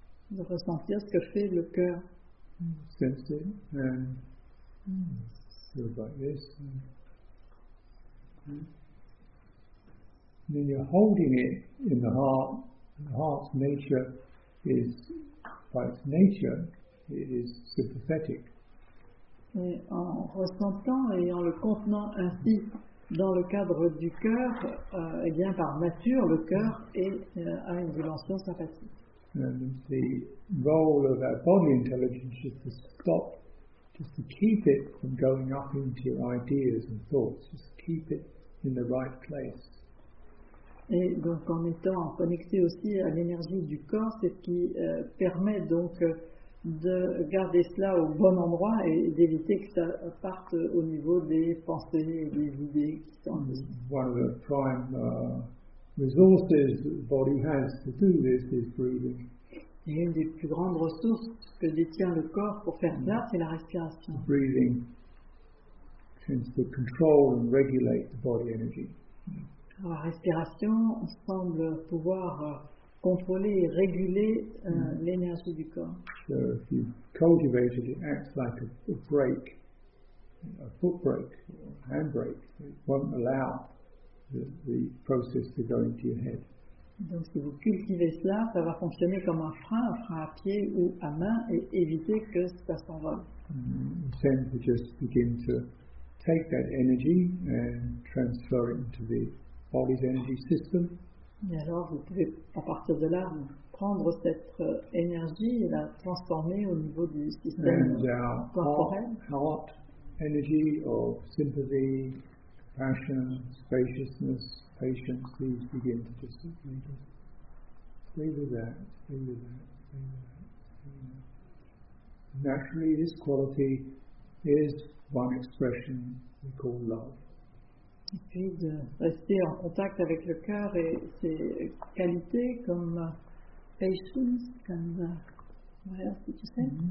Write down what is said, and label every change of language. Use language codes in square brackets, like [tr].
[fr] De ressentir ce que fait le cœur. [en] Sense it and feel like this. And then you're holding it in the heart. And the heart's nature is, by its nature, it is sympathetic. [fr] Et en ressentant et en le contenant ainsi dans le cadre du cœur, eh bien, par nature, le cœur est à une dimension sympathique. [en] And the role of our body intelligence is to stop, just to keep it from going up into your ideas and thoughts, just keep it in the right place. [fr] Et donc en étant connecté aussi à l'énergie du corps, c'est ce qui permet donc de garder cela au bon endroit et d'éviter que ça parte au niveau des pensées et des idées qui sont en [en] one of the prime resources that the body has to do this is breathing. [fr] Et une des plus grandes ressources que détient le corps pour faire ça, c'est la respiration. [en] The breathing tends to control and regulate the body energy. [fr] La respiration semble pouvoir contrôler et réguler l'énergie du corps. [en] So if you cultivate it, it acts like a brake, a foot brake, a hand brake. It won't allow the process to go into your head. [fr] Donc si vous cultivez cela, ça va fonctionner comme un frein à pied ou à main, et éviter que ça s'envole. [en] Then you just begin to take that energy and transfer it into the body's energy system. [fr] Et alors vous pouvez, à partir de là, prendre cette énergie et la transformer au niveau du système corporel. [en] Heart energy of sympathy, passion, spaciousness, patience, please begin to just stay with that, stay with that, stay with that. Naturally, this quality is one expression we call love. [fr] Et puis de rester en contact avec le cœur et ses qualités comme patience, comme [en] what else did you say?